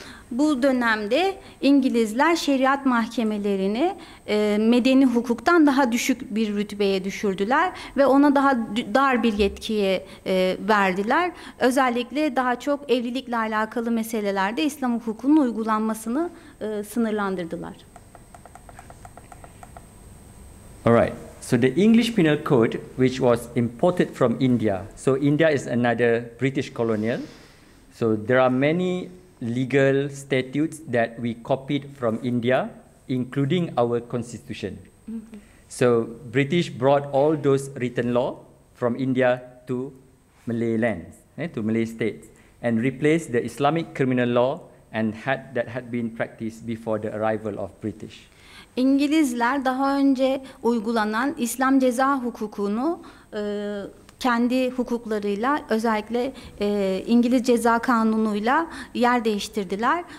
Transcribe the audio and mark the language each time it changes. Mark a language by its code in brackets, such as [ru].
[tr] Bu dönemde İngilizler şeriat mahkemelerini medeni hukuktan daha düşük bir rütbeye düşürdüler ve ona daha dar bir yetkiye verdiler. Özellikle daha çok evlilikle alakalı meselelerde İslam hukukunun uygulanmasını sınırlandırdılar. [en] All right. So the English Penal Code, which was imported from India. So India is another British colonial. So there are many legal statutes that we copied from India, including our constitution. Mm-hmm. So British brought all those written law from India to Malay lands, to Malay states, and replaced the Islamic criminal law and that had been practiced before the arrival of British. [tr] İngilizler daha önce uygulanan İslam ceza hukukunu kendi hukuklarıyla, özellikle İngiliz ceza kanunuyla yer değiştirdiler.